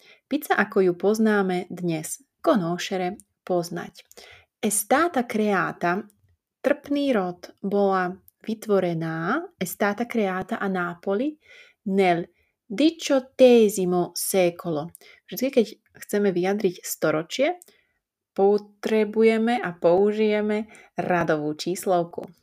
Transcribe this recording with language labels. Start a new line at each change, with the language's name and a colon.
Slovak: Pizza, ako ju poznáme dnes.
Italian: Conoscere, poznať. È stata creata,
Slovak: trpný rod bola vytvorená,
Italian: è stata creata a Napoli nel XVIII secolo.
Slovak: Vždy, keď chceme vyjadriť storočie, potrebujeme a použijeme radovú číslovku.